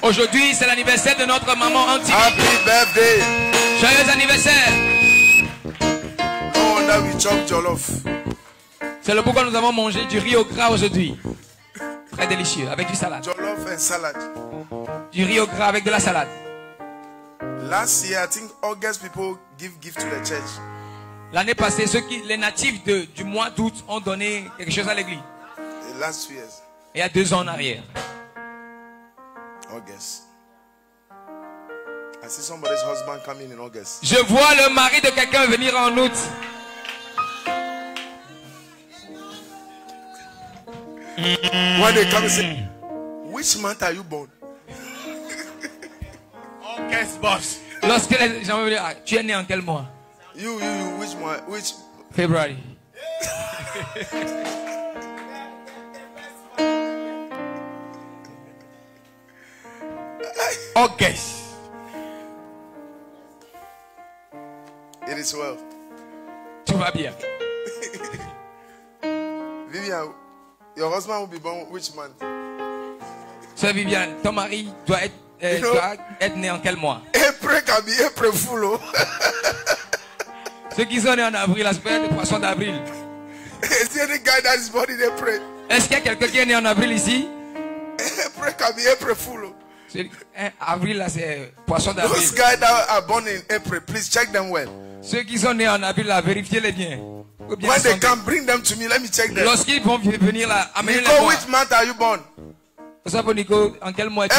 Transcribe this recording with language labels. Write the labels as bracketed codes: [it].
[fr] Aujourd'hui, c'est l'anniversaire de notre maman Auntie [en] Vic. Happy birthday. [fr] Joyeux anniversaire. [en] No wonder we chop jollof. [fr] C'est le pourquoi nous avons mangé du riz au gras aujourd'hui. Très délicieux, avec du salade. [en] Jollof and salad. [fr] Du riz au gras avec de la salade. [en] Last year, I think August people give gift to the church. [fr] L'année passée, ceux qui, les natifs de, du mois d'août ont donné quelque chose à l'église. [en] The last few years. [fr] Il y a deux ans en arrière. [en] August. I see somebody's husband coming in August. [fr] Je vois le mari de quelqu'un venir en août. [en] When they come and say, which month are you born? August, boss. [fr] Lorsque les gens vont venir, tu es né en quel mois? [en] You, which month? Which? February. August. It is well. [fr] Tout va bien. [en] Vivian, your husband will be born which month? [fr] Sir Vivian, ton mari doit être, [en] you know, [fr] doit être né en quel mois? [en] April can be April Fool. [fr] Ceux qui sont nés en avril, l'aspect des poissons d'avril. [en] Is there any guy that is born in April? [fr] Est-ce qu'il y a quelqu'un qui est né en avril ici? [en] April can be April Fool. [fr] Avril là, c'est poisson d'avril. [en] Those guys that are born in April, please check them well. [fr] Ceux qui sont nés en avril là, vérifiez les bien. [en] When they come, bring them to me. Let me check them. [fr] Lorsqu'ils vont venir là, amenez-les. [en] Nico, which month are you born? [fr] Ça pour Nico, en quel mois es-tu?